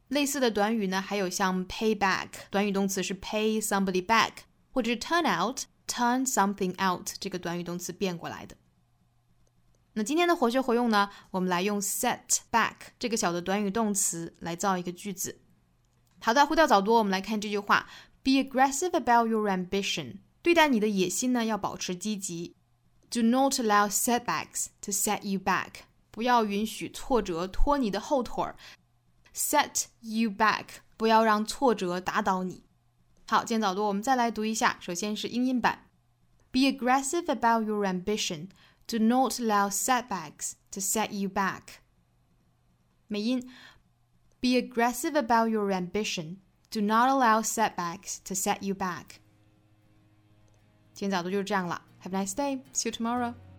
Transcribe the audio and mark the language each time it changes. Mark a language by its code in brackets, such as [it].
[zh] 类似的短语呢，还有像 [en] pay back, [zh] 短语动词是 [en] pay somebody back, [zh] 或者是 [en] turn out, turn something out, [zh] 这个短语动词变过来的。那今天的活学活用呢，我们来用 set back 这个小的短语动词来造一个句子。好的，回到早读，我们来看这句话。 [en] Be aggressive about your ambition, [zh] 对待你的野心呢，要保持积极。 [en] Do not allow setbacks to set you back. [zh] 不要允许挫折拖你的后腿。 [en] Set you back. [zh] 不要让挫折打倒你。好，今天早读我们再来读一下。首先是英音版。 [en] Be aggressive about your ambition. Do not allow setbacks to set you back. [zh] 美音。 [en] Be aggressive about your ambition. Do not allow setbacks to set you back. [zh] 今天早读就是这样了。 [en] Have a nice day. See you tomorrow.